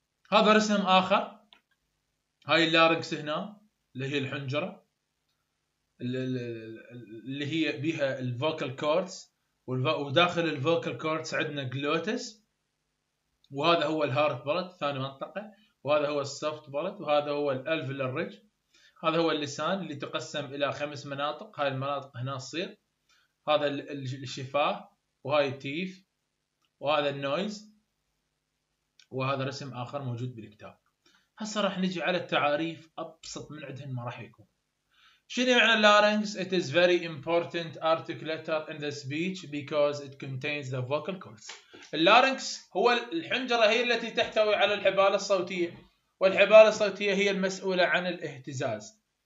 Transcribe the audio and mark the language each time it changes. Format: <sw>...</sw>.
<ar>هذا رسم اخر، هاي اللارنكس هنا اللي هي الحنجره اللي هي بيها الفوكال كوردز، وداخل الفوكال كوردز عندنا جلوتس، وهذا هو الهارت بلت ثاني منطقة، وهذا هو السوفت بلت، وهذا هو الالفيلر ريج، هذا هو اللسان اللي تقسم الى خمس مناطق. هاي المناطق هنا تصير، هذا الشفاه، وهاي التيف، وهذا النويز، وهذا رسم اخر موجود بالكتاب. هسه راح نجي على التعاريف، ابسط من عندهم ما راح يكون. شنو يعني</ar> <en>larynx؟ It is very important articulator in the speech because it contains the vocal cords.</en> <ar>larynx هو الحنجرة، هي التي تحتوي على الحبال الصوتية، والحبال الصوتية هي المسؤولة عن الاهتزاز.</ar>